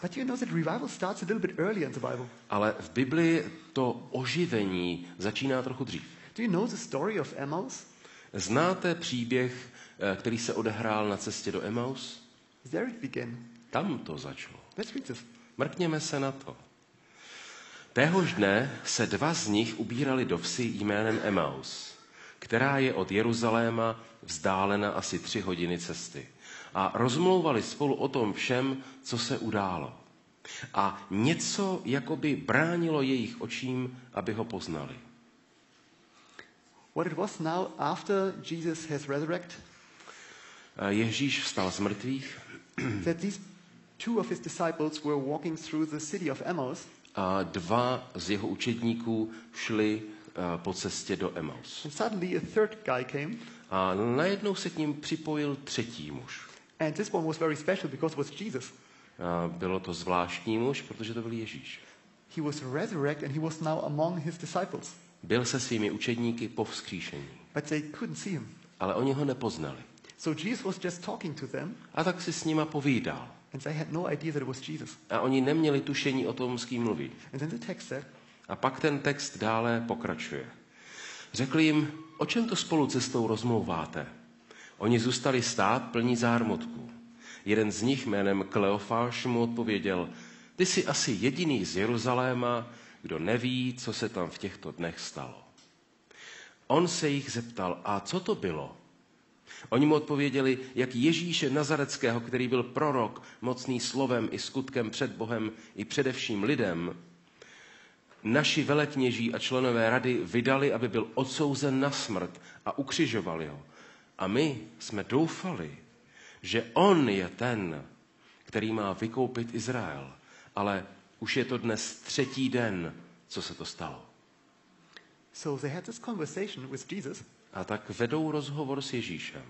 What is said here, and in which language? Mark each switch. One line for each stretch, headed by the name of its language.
English: But you know that revival starts a little bit earlier in the Bible.
Czech: Ale v Biblii to oživení začíná trochu dřív.
English: Do you know the story of Emmaus?
Czech: Znáte příběh, který se odehrál na cestě do Emmaus?
English: There it began.
Czech: Tam to začalo.
English: Let's read this.
Czech: Mrkněme se na to. Téhož dne se dva z nich ubírali do vsi jménem Emmaus, která je od Jeruzaléma vzdálena asi 3 hodiny cesty. A rozmlouvali spolu o tom všem, co se událo. A něco jakoby bránilo jejich očím, aby ho poznali.
English: What it was now after Jesus has resurrected?
Czech: Ježíš vstal z mrtvých.
English: That these two of his disciples were walking through the city of Emmaus.
Czech: A dva z jeho učedníků šli po cestě do Emmaus.
English: And suddenly a third guy came.
Czech: A najednou se k ním připojil třetí muž.
English: And this one was very special because it was Jesus.
Czech: Bylo to zvláštní muž, protože to byl Ježíš.
English: He was resurrected and he was now among his disciples.
Czech: Byl se svými učedníky po vzkříšení.
English: But they couldn't see him.
Czech: Ale oni ho nepoznali.
English: So Jesus was just talking to them.
Czech: A tak si s nima povídal.
English: And they had no idea that it was Jesus.
Czech: A oni neměli tušení o tom, s kým mluví.
English: And then the text said,
Czech: a pak ten text dále pokračuje. Řekl jim, o čem to spolu cestou rozmlouváte? Oni zůstali stát plní zármutku. Jeden z nich jménem Kleofáš mu odpověděl, ty jsi asi jediný z Jeruzaléma, kdo neví, co se tam v těchto dnech stalo. On se jich zeptal, a co to bylo? Oni mu odpověděli, jak Ježíše Nazareckého, který byl prorok, mocný slovem i skutkem před Bohem i především lidem, naši velekněží a členové rady vydali, aby byl odsouzen na smrt a ukřižovali ho. A my jsme doufali, že on je ten, který má vykoupit Izrael, ale už je to dnes třetí den, co se to stalo.
English: So they had this conversation with Jesus.
Czech: A tak vedou rozhovor s Ježíšem.